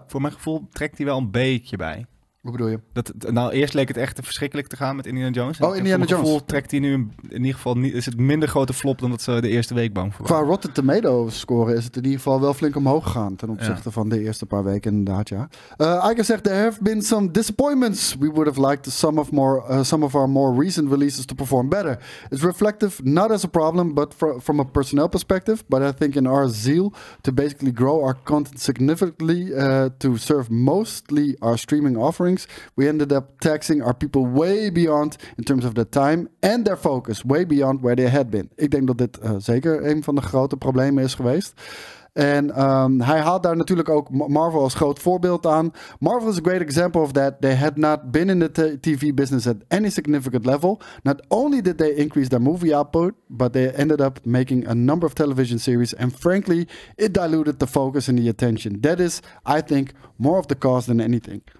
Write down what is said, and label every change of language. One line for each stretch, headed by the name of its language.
Dutch: Voor mijn gevoel trekt hij wel een beetje bij. Hoe bedoel je? Eerst leek het echt verschrikkelijk te gaan met Indiana Jones. En Indiana voor mijn Gevoel trekt hij nu in ieder geval niet, is het minder grote flop dan dat ze de eerste week bang voor waren. Qua Rotten Tomatoes score is het in ieder geval wel flink omhoog gegaan ten opzichte van de eerste paar weken inderdaad, ja. Iger zegt,
English: there have been some disappointments. We would have liked some of our more recent releases to perform better. It's reflective not as a problem, but from a personnel perspective. But I think in our zeal to basically grow our content significantly to serve mostly our streaming offering, we ended up taxing our people way beyond in terms of the time and their focus, way beyond where they had been.
Dutch: Ik denk dat dit zeker een van de grote problemen is geweest. En hij haalt daar natuurlijk ook Marvel als groot voorbeeld aan.
English: Marvel is a great example of that. They had not been in the TV business at any significant level. Not only did they increase their movie output, but they ended up making a number of television series. And frankly, it diluted the focus and the attention. That is, I think, more of the cause than anything.